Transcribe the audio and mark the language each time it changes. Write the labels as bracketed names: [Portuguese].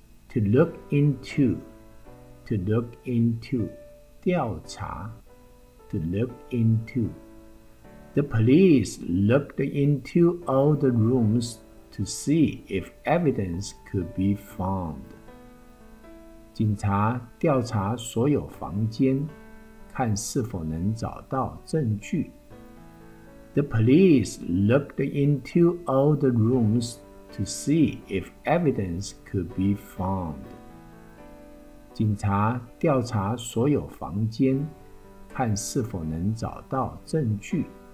[English] To look into, to look into, 调查。 To look into. The police looked into all the rooms to see if evidence could be found. [Chinese] 警察调查所有房间，看是否能找到证据。 [English] The police looked into all the rooms to see if evidence could be found. [Chinese] 警察调查所有房间，看是否能找到证据。